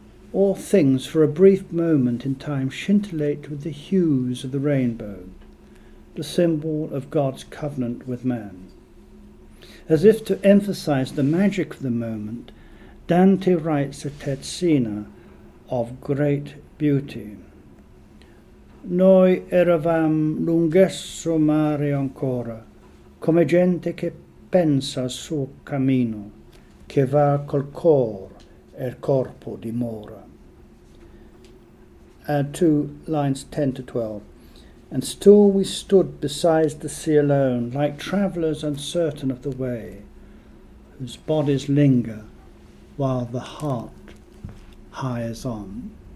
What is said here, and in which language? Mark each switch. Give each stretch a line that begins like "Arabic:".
English: All things for a brief moment in time scintillate with the hues of the rainbow, the symbol of God's covenant with man. As if to emphasize the magic of the moment, Dante writes a terzina of great beauty.
Italian: Noi eravam lunghesso mare ancora, come gente che pensa al suo cammino, che va col cor e il corpo dimora.
English: Two lines 10 to 12. And still we stood beside the sea alone, like travellers uncertain of the way, whose bodies linger while the heart hires on.